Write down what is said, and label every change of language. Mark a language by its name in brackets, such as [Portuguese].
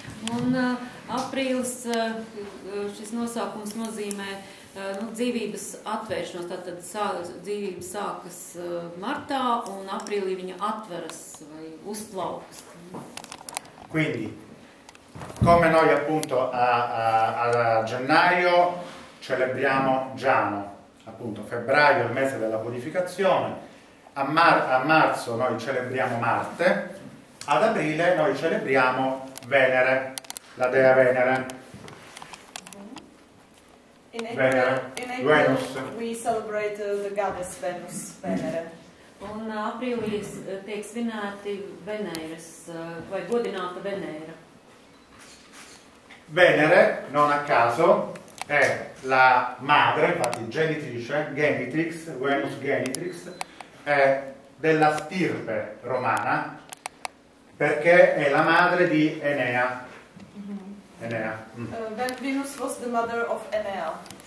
[Latvian] Un aprīlis šis nosaukums nozīmē nu, dzīvības atvēršanos, tātad dzīvība sākas martā un aprīlī viņa atveras vai uzplaukas. [Italian] Quindi, come noi appunto a gennaio celebriamo Giano, appunto febbraio il mese della purificazione, a marzo noi celebriamo Marte, ad aprile noi celebriamo Venere. La dea Venere. [English] In April, Venere. In April Venus. We celebrate the goddess Venus, Venere. [Latvian] Un aprīlī tiek svinēti Veneres, vai godināta Venera. [Italian] Venere, non a caso, è la madre, infatti genitrice, genitrix, Venus genitrix, è della stirpe romana, perché è la madre di Enea. [English] Venus was the mother of Enea.